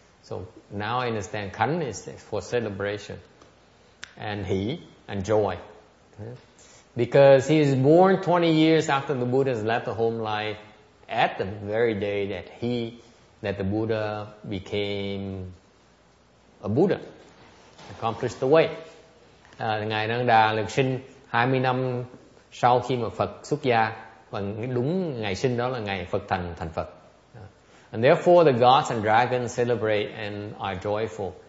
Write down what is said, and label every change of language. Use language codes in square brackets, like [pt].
[en] So now I understand khánh is for celebration and hỷ and joy. Because he is born 20 years after the Buddha has left the home life, at the very day that the Buddha became a Buddha, accomplished the way. [vi] Ngài Nan Đà được sinh 20 năm sau khi mà Phật xuất gia, và đúng ngày sinh đó là ngày Phật thành thành Phật. [en] And therefore the gods and dragons celebrate and are joyful.